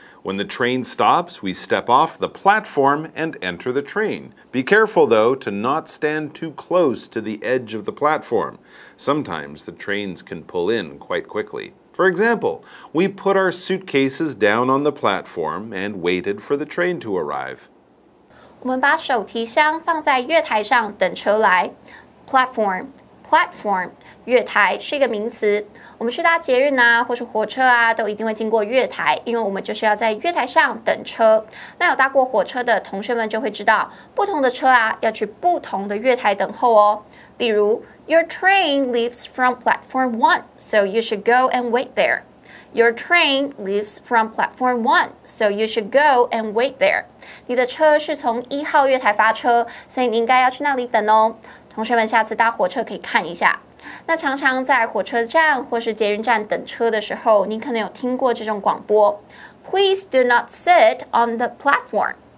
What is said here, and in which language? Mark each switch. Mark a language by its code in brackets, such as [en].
[en] When the train stops, we step off the platform and enter the train. Be careful, though, to not stand too close to the edge of the platform. Sometimes the trains can pull in quite quickly. For example, we put our suitcases down on the platform and waited for the train to arrive. [zh] 我们把手提箱放在月台上等车来。 Platform, platform, 月台是一个名词。我们去搭捷运啊或是火车啊都一定会经过月台，因为我们就是要在月台上等车。那有搭过火车的同学们就会知道，不同的车啊要去不同的月台等候哦。 [en] 例如 Your train leaves from platform 1, so you should go and wait there. Your train leaves from platform 1, so you should go and wait there. [zh] 你的车是从一号月台发车，所以你应该要去那里等哦。同学们下次搭火车可以看一下。那常常在火车站或是捷运站等车的时候，你可能有听过这种广播 [en] Please do not sit on the platform.